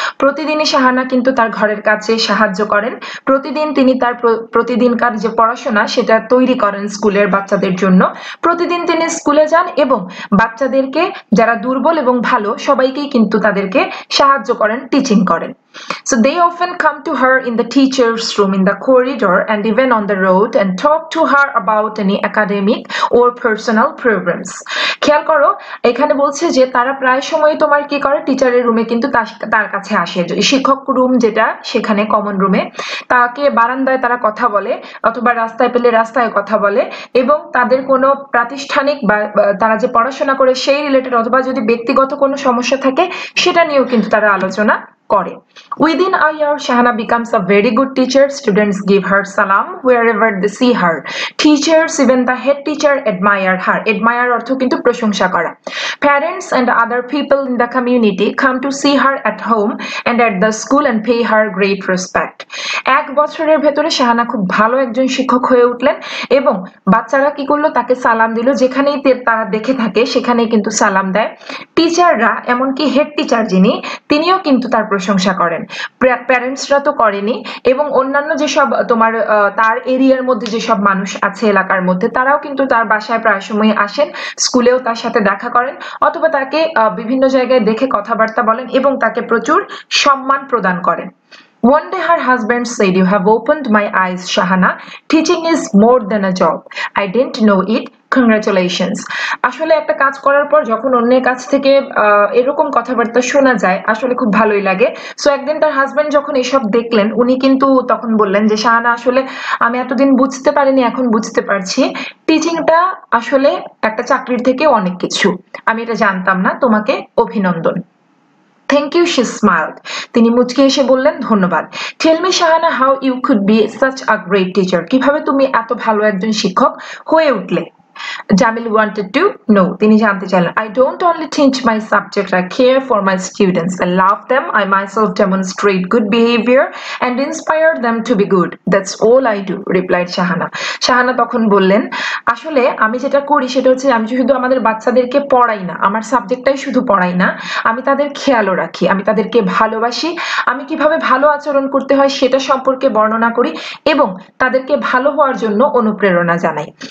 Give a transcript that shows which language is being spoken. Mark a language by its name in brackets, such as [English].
[Bangla] প্রতিদিনই শাহানা কিন্তু তার ঘরের কাজে সাহায্য করেন, প্রতিদিন তিনি তার প্রতিদিনকার যে পড়াশোনা সেটা তৈরি করেন স্কুলের বাচ্চাদের জন্য, প্রতিদিন তিনি স্কুলে যান এবং বাচ্চাদেরকে যারা দুর্বল এবং ভালো সবাইকেই কিন্তু তাদেরকে সাহায্য করেন, টিচিং করেন। [English] So they often come to her in the teacher's room in the corridor and even on the road and talk to her about any academic or personal problems. [Bangla] খেয়াল করো এখানে বলছে যে তারা প্রায় সময় তোমার কি করে, টিচারের রুমে কিন্তু তার কাছে আসে, শিক্ষক রুম যেটা সেখানে কমন রুমে, তাকে বারান্দায় তারা কথা বলে অথবা রাস্তায় পেলে রাস্তায় কথা বলে, এবং তাদের কোনো প্রাতিষ্ঠানিক বা তারা যে পড়াশোনা করে সেই রিলেটেড অথবা যদি ব্যক্তিগত কোনো সমস্যা থাকে সেটা নিয়েও কিন্তু তারা আলোচনা করে। [English] within a year Shahana becomes a very good teacher, students give her salaam wherever they see her, teachers even the head teacher admire her, admire [Bangla] অর্থ কিন্তু প্রশংসা করা। [English] parents and other people in the community come to see her at home and at the school and pay her great respect. [Bangla] এক বছরের ভেতরে শাহানা খুব ভালো একজন শিক্ষক হয়ে উঠলেন এবং বাচ্চারা কি করলো তাকে সালাম দিল, যেখানেই তারা দেখে থাকে সেখানেই কিন্তু সালাম দেয়। টিচাররা এমনকি হেড টিচার যিনি তিনিও কিন্তু তার প্রশংসা করেন, প্যারেন্টসরা তো করেনি, এবং অন্যান্য যেসব তোমার তার এরিয়ার মধ্যে যেসব মানুষ আছে এলাকার মধ্যে তারাও কিন্তু তার বাসায় প্রায় সময় আসেন, স্কুলেও তার সাথে দেখা করেন অথবা তাকে বিভিন্ন জায়গায় দেখে কথাবার্তা বলেন এবং তাকে প্রচুর সম্মান প্রদান করেন। [English] One day her husband said, "You have opened my eyes, Shahana. Teaching is more than a job. I didn't know it. Congratulations." [Bangla] আসলে একটা কাজ করার পর যখন অন্যের কাছ থেকে এরকম কথাবার্তা শোনা যায় আসলে খুব ভালোই লাগে। সো একদিন তার হাজবেন্ড যখন এসব দেখলেন উনি কিন্তু তখন বললেন যে শাহানা আসলে আমি এতদিন বুঝতে পারিনি, এখন বুঝতে পারছি, টিচিংটা আসলে একটা চাকরির থেকে অনেক কিছু, আমি এটা জানতাম না, তোমাকে অভিনন্দন। [English] Thank you, she smiled. [Bangla] তিনি মুচকি এসে বললেন ধন্যবাদ। [English] Tell me, Shahana, how you could be such a great teacher? [Bangla] কিভাবে তুমি এত ভালো একজন শিক্ষক হয়ে উঠলে? [English] Jamil wanted to know. [Bangla] তিনি জানতে চাইলেন, [English] I don't only teach my subject, I care for my students. I love them, I myself demonstrate good behavior and inspire them to be good. That's all I do, replied Shahana. [Bangla] Shahana তখন বললেন, আসলে আমি যেটা করি সেটা হচ্ছে আমি শুধু আমাদের বাচ্চাদেরকে পড়াই না, আমার সাবজেক্টটাই শুধু পড়াই না, আমি তাদের খেয়ালও রাখি, আমি তাদেরকে ভালোবাসি, আমি কিভাবে ভালো আচরণ করতে হয় সেটা সম্পর্কে বর্ণনা করি এবং তাদেরকে ভালো হওয়ার জন্য অনুপ্রেরণা জানাই।